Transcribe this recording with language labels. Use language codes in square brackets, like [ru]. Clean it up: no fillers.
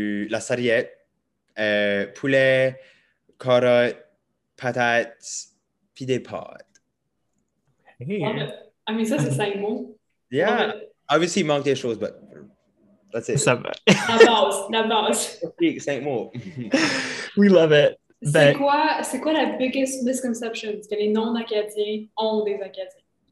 [fr] La sarriette, poulet, carottes, patates, puis des pâtes. [en] Hey. I mean, [fr] ça, c'est 5 mots. [en] Yeah. Okay. Obviously, [fr] il manque des choses, [en] but that's it. [fr] Ça va. La base. 5 mots. [en] We love it. [fr] C'est quoi la [en] biggest misconception [fr] que les non-Acadiens ont des Acadiens?